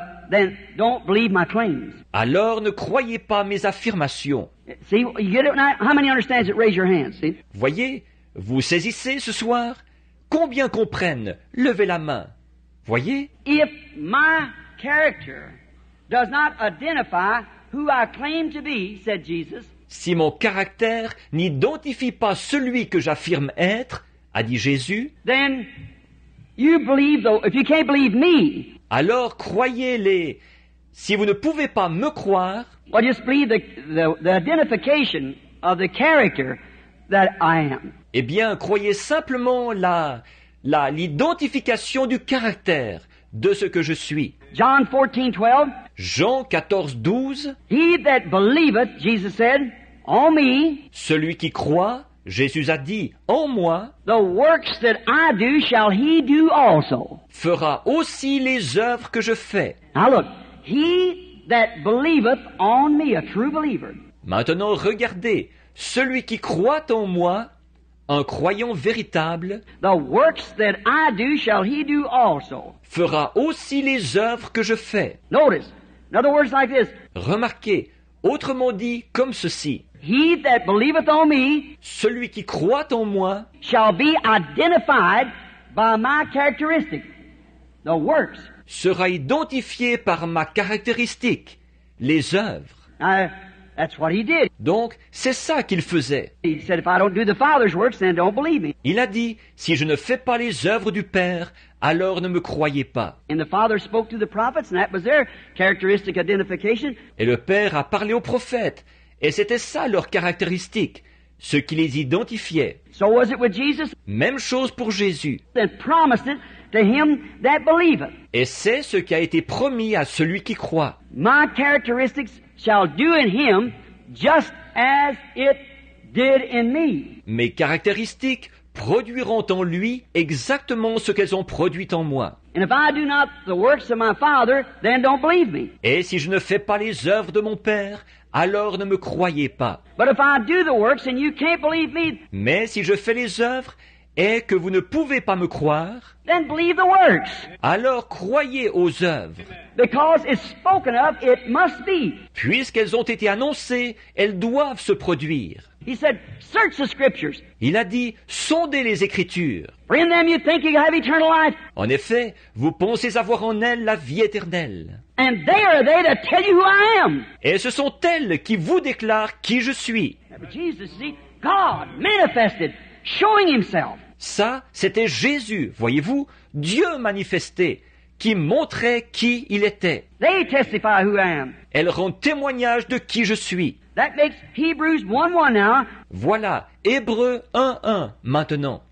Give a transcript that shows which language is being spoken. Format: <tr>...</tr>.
<en>then don't believe my claims.</en> <fr>Alors ne croyez pas mes affirmations.</fr> <en>See, you get it now? How many understands it? Raise your hand. See?</en> <fr>Voyez, vous saisissez ce soir? Combien comprennent? Levez la main. Voyez?</fr> <en>If my character does not identify who I claim to be, said Jesus.</en> <fr>Si mon caractère n'identifie pas celui que j'affirme être, a dit Jésus.</fr> <en>Then you believe though, if you can't believe me.</en> <fr>Alors croyez-les. Si vous ne pouvez pas me croire,</fr> <en>well, just believe the identification of the character that I am.</en> <fr>Eh bien, croyez simplement l'identification du caractère de ce que je suis.</fr> <en>John 14, 12.</en> <fr>Jean 14, 12.</fr> <en>He that believeth, Jesus said, on me.</en> <fr>Celui qui croit, Jésus a dit, en moi.</fr> <en>The works that I do shall he do also.</en> <fr>Fera aussi les œuvres que je fais.</fr> <en>Now look, he that believeth on me, a true believer.</en> <fr>Maintenant regardez, celui qui croit en moi, un croyant véritable,</fr> <en>the works that I do shall he do also.</en> <fr>Fera aussi les œuvres que je fais.</fr> <en>Notice, in other words like this.</en> <fr>Remarquez, autrement dit comme ceci.</fr> <en>He that believeth on me,</en> <fr>celui qui croit en moi,</fr> <en>shall be identified by my characteristic, the works.</en> <fr>Sera identifié par ma caractéristique, les œuvres.</fr> <en>That's what he did.</en> <fr>Donc, c'est ça qu'il faisait.</fr> <en>He said, if I don't do the Father's works, then don't believe me.</en> <fr>Il a dit, si je ne fais pas les œuvres du Père, alors ne me croyez pas.</fr> <en>And the Father spoke to the prophets, and that was their characteristic identification.</en> <fr>Et le Père a parlé aux prophètes. Et c'était ça leur caractéristique, ce qui les identifiait.</fr> <en>So was it with Jesus.</en> <fr>Même chose pour Jésus.</fr> <en>They promised it to him that believeth.</en> <fr>Et c'est ce qui a été promis à celui qui croit.</fr> <en>My characteristics shall do in him just as it did in me.</en> <fr>Mes caractéristiques produiront en lui exactement ce qu'elles ont produit en moi.</fr> <en>And if I do not the works of my Father, then don't believe me.</en> <fr>Et si je ne fais pas les œuvres de mon Père, alors ne me croyez pas.</fr> <en>But if I do the works and you can't believe me.</en> <fr>Mais si je fais les œuvres et que vous ne pouvez pas me croire,</fr> <en>then believe the works.</en> <fr>Alors croyez aux œuvres.</fr> <en>Because it's spoken of, it must be.</en> <fr>Puisqu'elles ont été annoncées, elles doivent se produire.</fr> <en>He said, search the scriptures.</en> <fr>Il a dit, sondez les Écritures.</fr> <en>In them you think you have eternal life.</en> <fr>En effet, vous pensez avoir en elles la vie éternelle.</fr> <en>And they are they that tell you who I am.</en> <fr>Et ce sont elles qui vous déclarent qui je suis.</fr> <en>But Jesus, see, God manifested, showing himself.</en> <fr>Ça, c'était Jésus, voyez-vous, Dieu manifesté, qui montrait qui il était.</fr> <en>They testify who I am.</en> <fr>Elles rendent témoignage de qui je suis.</fr> <en>That makes Hebrews 1:1 now.</en> <fr>Voilà, Hébreux 1:1 maintenant.</fr>